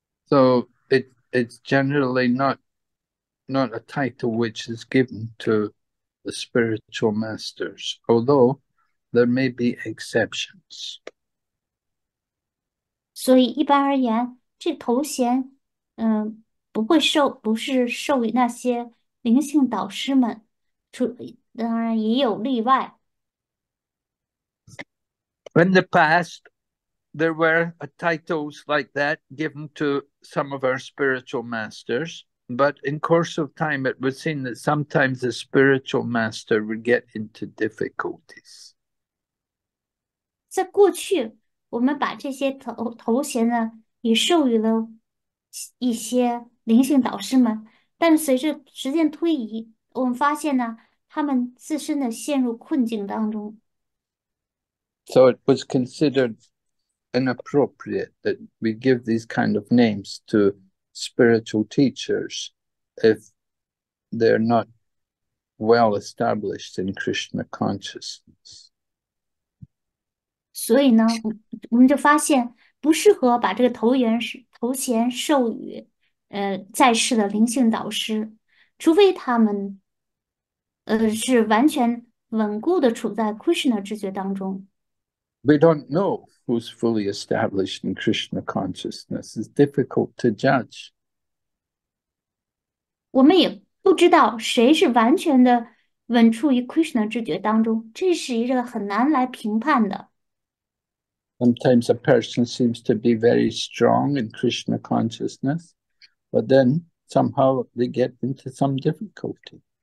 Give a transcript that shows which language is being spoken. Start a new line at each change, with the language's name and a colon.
English: So it's generally not a title which is given to the spiritual masters, although there may be exceptions.
Chinese: 所以一般而言，这头衔，不是授予那些灵性导师们，当然也有例外。
English: In the past, there were titles like that given to some of our spiritual masters, but in course of time, it was seen that sometimes the spiritual master would get into difficulties.
Chinese: 在过去。我们把这些头衔呢，也授予了一些灵性导师们，但随着时间推移，我们发现呢，他们自身的陷入困境当中。
English: So it was considered inappropriate that we give these kind of names to spiritual teachers if they're not well established in Krishna consciousness.
Chinese: 所以呢，我们就发现，不适合把这个头衔授予在世的灵性导师，除非他们是完全稳固的处在 Krishna 知觉当中。
English: We don't know who's fully established in Krishna consciousness. It's difficult to judge.
Chinese: 我们也不知道谁是完全的稳处于 Krishna 知觉当中，这是一个很难来评判的。
English: Sometimes a person seems to be very strong in Krishna consciousness, but then somehow they get into some difficulty.